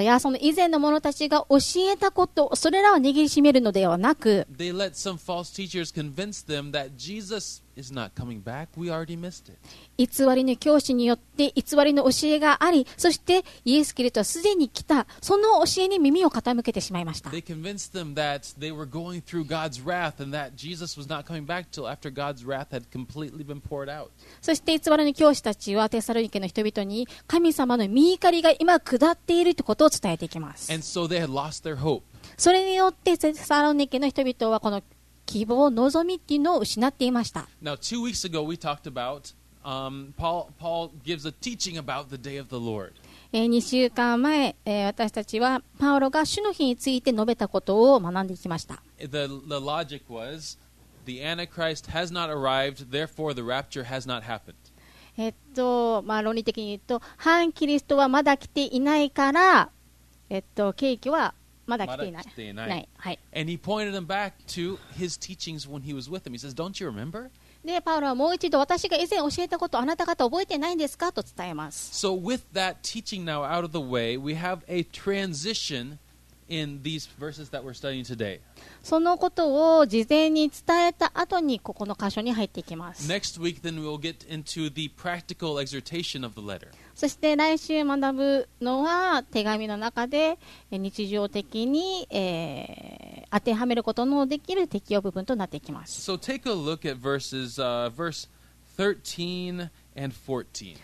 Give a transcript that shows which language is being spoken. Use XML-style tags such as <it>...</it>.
<ja>やその以前の者たちが教えたこと、それらを握りしめるのではなく、</ja> <en>They let some false teachers convince them that Jesus is not coming back. We already missed it.</en> <ja>偽りの教師によって偽りの教えがあり、そしてイエス・キリストはすでに来た、その教えに耳を傾けてしまいました。</ja> <en>They convinced them that they were going through God's wrath and that Jesus was not coming back till after God's wrath had completely been poured out.</en> <ja>そして偽りの教師たちはテサロニケの人々に神様の御怒りが今下っているということを伝えていきます。</ja> <en>And so they had lost their hope.</en> <ja>それによってテサロニケの人々はこの希望、望みっていうのを失っていました。</ja> <en>Now, 2 weeks ago, we talked about, Paul gives a teaching about the day of the Lord.</en> <ja>2週間前、私たちはパウロが主の日について述べたことを学んでいきました。</ja> <en>The logic was, the Antichrist has not arrived, therefore the rapture has not happened.</en> <ja>まあ、論理的に言うと、反キリストはまだ来ていないから、景気はまだ来ていない。はい。</ja> <en>And he pointed them back to his teachings when he was with them. He says, "Don't you remember?"</en> <ja>で、パウロはもう一度私が以前教えたことをあなた方覚えてないんですかと伝えます。</ja> <en>So with that teaching now out of the way, we have a transition in these verses that we're studying today.</en> <ja>そのことを事前に伝えた後にここの箇所に入っていきます。</ja> <en>Next week, then we'll get into the practical exhortation of the letter.</en> <ja>そして来週学ぶのは手紙の中で日常的に、当てはめることのできる適用部分となっていきます。</ja> <en>So take a look at verse 13 and 14.</en>